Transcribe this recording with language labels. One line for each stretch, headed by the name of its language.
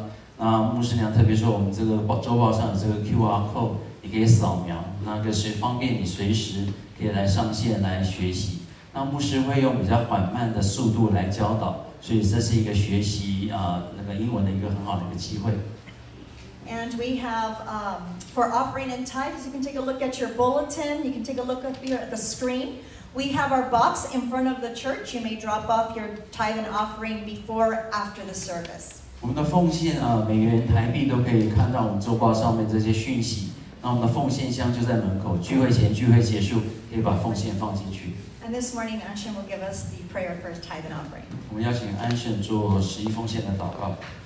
Chinese: 每个礼拜三晚上，我们有线上的英语查经。那牧师目前的进度是以赛亚书的46章到47章。那牧师娘特别说，我们这个周报上有这个 QR code， 你可以扫描，那个是方便你随时可以来上线来学习。那牧师会用比较缓慢的速度来教导。所以这是一个学习英文的一个很好的一个机会。And
English: we have for offering and tithes, you can take a look at your bulletin. You can take a look up here at the screen. We have our box in front of the church. You may drop off your tithe and offering before after the service.
Chinese: 我们的奉献每元台币都可以看到我们周报上面这些讯息。那我们的奉献箱就在门口。聚会前聚会结束，可以把奉献放进去。
English: And this morning, Anshin will give us the prayer for his tithe and offering.
Chinese: 我们邀请安顺做十一奉献的祷告。